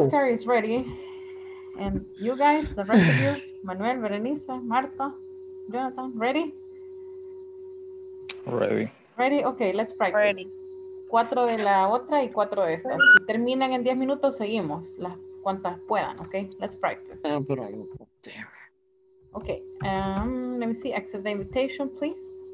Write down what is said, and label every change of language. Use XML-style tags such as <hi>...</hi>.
<en>Oscar is ready, and you guys, the rest of you, Manuel, Berenice, Marta, Jonathan, ready? Ready. Ready? Okay, let's practice. Ready.</en> <es>Cuatro de la otra y cuatro de estas. Si terminan en 10 minutos, seguimos las cuantas puedan, okay?</es> <en>Let's practice. Okay, let me see, accept the invitation, please.</en>